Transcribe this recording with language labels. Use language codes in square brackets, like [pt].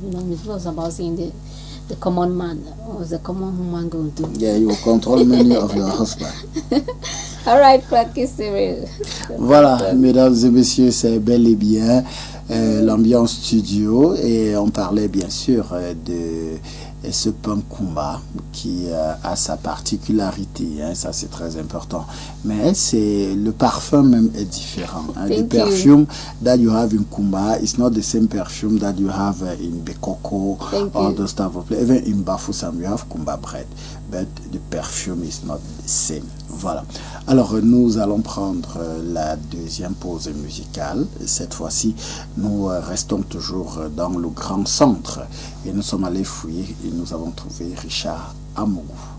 [en] You know, Miss B was about seeing the common man. What was the common woman going to do? Yeah, you control many of your husband. All right, Cracky Cyril. [fr] Voilà, mesdames et messieurs, c'est bel et bien l'ambiance studio. Et on parlait bien sûr de ce Pankumba qui a sa particularité, hein, ça c'est très important. Mais c'est le parfum même est différent. Hein, [en] le perfume that you have in Kumba is not the same perfume that you have in Bekoko or those type of place. Even in Bafoussam, you have Kumba bread. But the perfume is not the same. [fr] Voilà. Alors nous allons prendre la deuxième pause musicale. Cette fois-ci, nous restons toujours dans le grand centre et nous sommes allés fouiller et nous avons trouvé Richard Amougou.